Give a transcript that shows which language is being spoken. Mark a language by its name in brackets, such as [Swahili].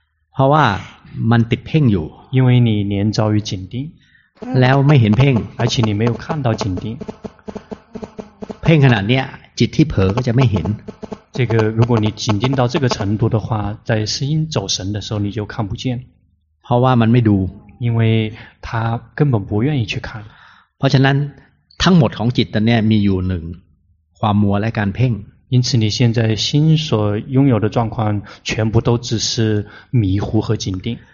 [Chinese] 好啊 [Thai] มันติดเพ่งอยู่ [Chinese] 因为你连遭于紧盯 [Thai] แล้วไม่เห็นเพ่ง [Chinese] 而且你没有看到紧盯 [Thai] เพ่งขนาดเนี้ยจิตที่เผลอก็จะไม่เห็น [Chinese] 这个如果你紧盯到这个程度的话在心走神的时候你就看不见 [Thai] เพราะว่ามันไม่ดู [Chinese] 因为他根本不愿意去看 [Thai] เพราะฉะนั้นทั้งหมดของจิตตอนนี้มีอยู่หนึ่งความมัวและการเพ่ง [Chinese] 因此你现在心所拥有的状况全部都只是迷糊和紧盯